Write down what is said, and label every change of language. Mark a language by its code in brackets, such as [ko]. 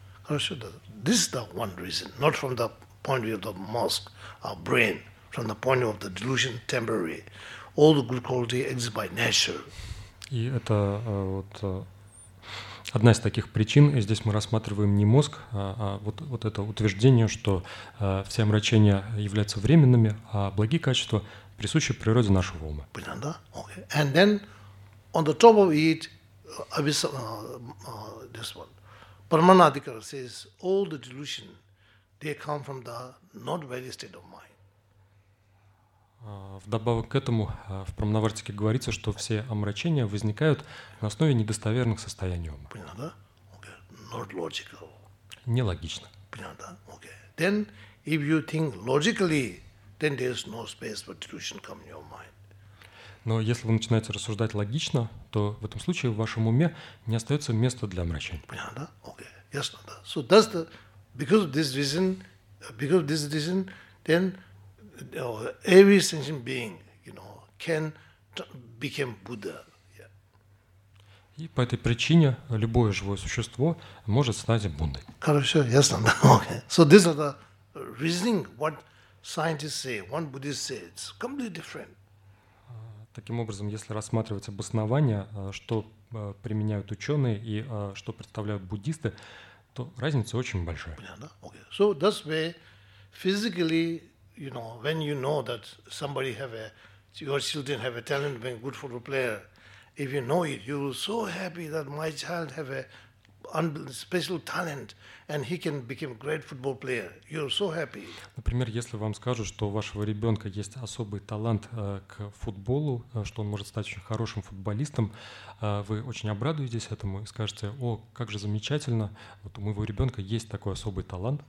[ru] Хорошо, да. [en] This is the one reason, not from the point of view of the mosque, our brain, from the point of the delusion temporary. All the good quality exists by nature. [ru] И это вот одна из таких причин, и здесь мы рассматриваем не мозг, а вот это утверждение, что все омрачения являются временными, а благие качества присущи природе нашего ума. Бинанда? Okay. [en] And then, on the top of it, this one, Paramanadikara says, all the delusion, they come from the not very state of mind. [ru] Вдобавок к этому, в Парамнавартике говорится, что все омрачения возникают на основе недостоверных состояний ума. Понятно, да? [en] Okay. Not logical. [ru] Нелогично. Понятно, да? Okay. [en] Then, if you think logically, then there is no space for delusion coming in your mind. [ru] Но если вы начинаете рассуждать логично, то в этом случае в вашем уме не остается места для омрачений. Понятно, да? Okay. Ясно, да? [en] So, that's the, because of this reason, then every sentient being, you know, can become Buddha. Yeah. [ru] И по этой причине любое живое существо может стать Буддой. Хорошо, ясно. [en] Okay. So this is the reasoning. What scientists say, what Buddhists say, it's completely different. [ru] Таким образом, если рассматривать обоснования, что применяют ученые и что представляют буддисты, то разница очень большая. Понятно. Okay. [en] So that's why physically, you know, when you know that somebody have a, your children have a talent to be a good football player, if you know it, you're so happy that my child have a special talent and he can become a great football player. You're so happy. [ru] Например, если вам скажут, что у вашего ребенка есть особый талант к футболу, что он может стать очень хорошим футболистом, вы очень обрадуетесь этому и скажете, о, как же замечательно, вот у моего ребенка есть такой особый талант.